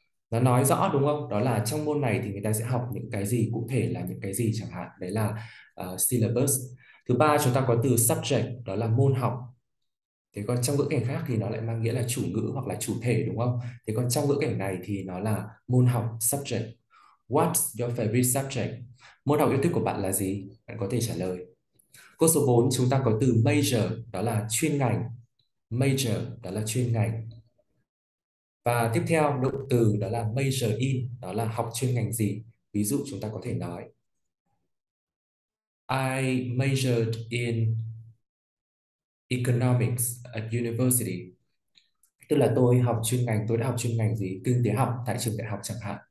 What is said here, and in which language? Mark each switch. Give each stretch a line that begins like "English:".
Vietnamese: Nó nói rõ đúng không? Đó là trong môn này thì người ta sẽ học những cái gì, cụ thể là những cái gì chẳng hạn. Đấy là syllabus. Thứ ba chúng ta có từ subject, đó là môn học. Thế còn trong ngữ cảnh khác thì nó lại mang nghĩa là chủ ngữ hoặc là chủ thể đúng không? Thế còn trong ngữ cảnh này thì nó là môn học, subject.
English: What's your favorite subject?
Vietnamese: Môn học yêu thích của bạn là gì? Bạn có thể trả lời. Câu số 4 chúng ta có từ major, đó là chuyên ngành. Major đó là chuyên ngành. Và tiếp theo động từ đó là major in, đó là học chuyên ngành gì. Ví dụ chúng ta có thể nói
English: I majored in economics at university,
Vietnamese: tức là tôi học chuyên ngành, tôi đã học chuyên ngành gì, kinh tế học tại trường đại học chẳng hạn.